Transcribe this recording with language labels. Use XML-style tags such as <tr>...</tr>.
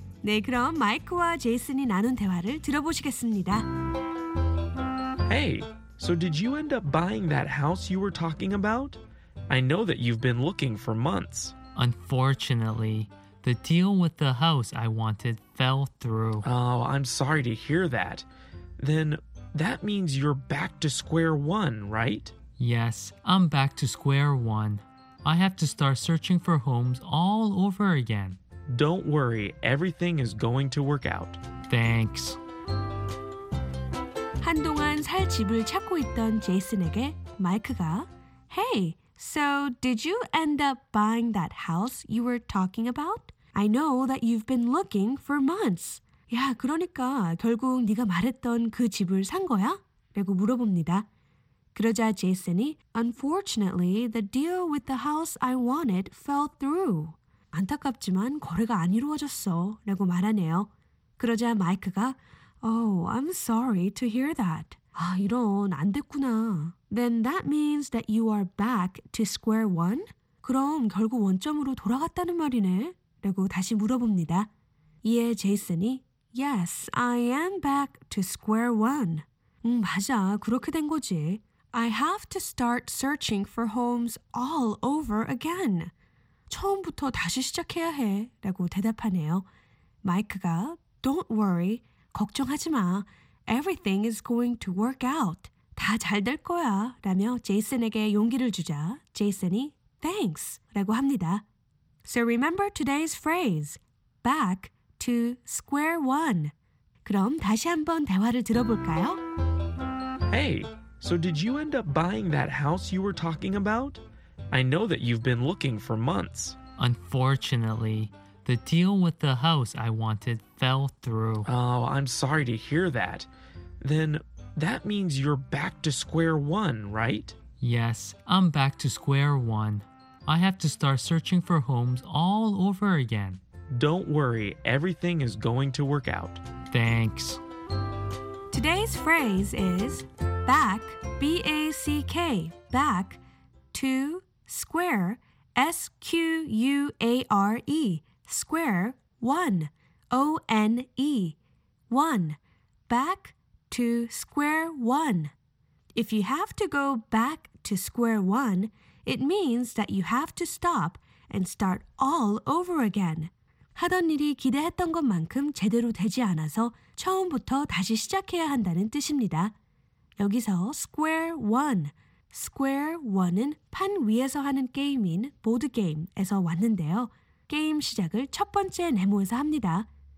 <ko>네, 그럼 마이크와 제이슨이 나눈 대화를 들어보시겠습니다.</ko> <en>Hey, so did you end up buying that house you were talking about? I know that you've been looking for months. Unfortunately, the deal with the house I wanted fell through. Oh, I'm sorry to hear that. Then, that means you're back to square one, right? Yes, I'm back to square one. I have to start searching for homes all over again. Don't worry, everything is going to work out. Thanks.</en> <ko>한동안 살 집을 찾고 있던 제이슨에게 마이크가</ko> <en>Hey, so did you end up buying that house you were talking about? I know that you've been looking for months.</en> <ko>야, 그러니까 결국 네가 말했던 그 집을 산 거야? 라고 물어봅니다. 그러자 제이슨이</ko> <en>Unfortunately, the deal with the house I wanted fell through.</en> <ko>안타깝지만 거래가 안 이루어졌어 라고 말하네요. 그러자 마이크가</ko> <en>Oh, I'm sorry to hear that.</en> <ko>아, 이런 안 됐구나.</ko> <en>Then that means that you are back to square one?</en> <ko>그럼 결국 원점으로 돌아갔다는 말이네? 라고 다시 물어봅니다. 이에 제이슨이</ko> <en>Yes, I am back to square one.</en> <ko>맞아, 그렇게 된 거지.</ko> <en>I have to start searching for homes all over again.</en> <ko>처음부터 다시 시작해야 해, 라고 대답하네요. 마이크가,</ko> <en>Don't worry,</en> <ko>걱정하지 마.</ko> <en>Everything is going to work out.</en> <ko>다 잘 될 거야, 라며 제이슨에게 용기를 주자 제이슨이,</ko> <en>Thanks,</en> <ko>라고 합니다.</ko> <en>So remember today's phrase, back to square one.</en> <ko>그럼 다시 한번 대화를 들어볼까요?</ko> <en>Hey, so did you end up buying that house you were talking about? I know that you've been looking for months. Unfortunately, the deal with the house I wanted fell through. Oh, I'm sorry to hear that. Then that means you're back to square one, right? Yes, I'm back to square one. I have to start searching for homes all over again. Don't worry, everything is going to work out. Thanks. Today's phrase is back, B-A-C-K, back to square, S-Q-U-A-R-E, square, one, O-N-E, one, back to square one. If you have to go back to square one, it means that you have to stop and start all over again.</en> <ko>하던 일이 기대했던 것만큼 제대로 되지 않아서 처음부터 다시 시작해야 한다는 뜻입니다. 여기서 square one. square one은 판 위에서 하는 게임인 보드 게임에서 왔는데요. 게임 시작을 첫 번째 네모에서 합니다.</ko>